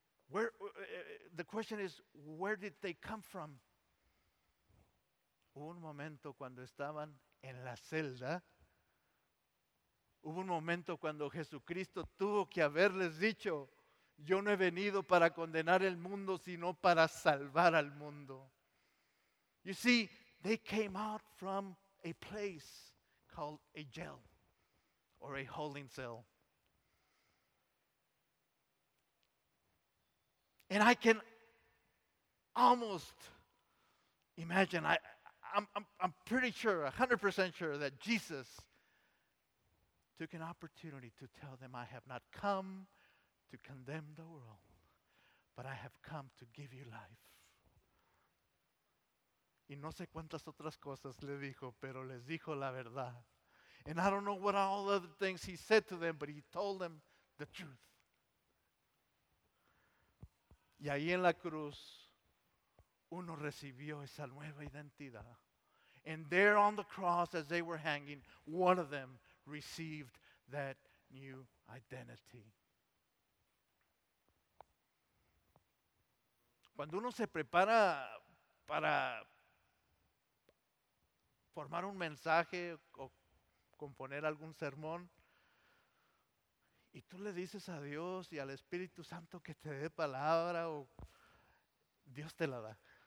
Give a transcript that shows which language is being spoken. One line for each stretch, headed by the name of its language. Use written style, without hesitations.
English: The question is, where did they come from?
Spanish: Hubo un momento cuando estaban en la celda, hubo un momento cuando Jesucristo tuvo que haberles dicho, yo no he venido para condenar el mundo, sino para salvar al mundo.
English: You see, they came out from a place called a jail or a holding cell. And I can almost imagine, I'm pretty sure, 100% sure that Jesus took an opportunity to tell them, I have not come to condemn the world, but I have come to give you life.
Spanish: Y no sé cuántas otras cosas le dijo, pero les dijo la verdad.
English: And I don't know what all other things he said to them, but he told them the truth.
Spanish: Y ahí en la cruz, uno recibió esa nueva identidad.
English: And there on the cross, as they were hanging, one of them received that new identity.
Spanish: Cuando uno se prepara para formar un mensaje o componer algún sermón, y tú le dices a Dios y al Espíritu Santo que te dé palabra, o Dios te la da.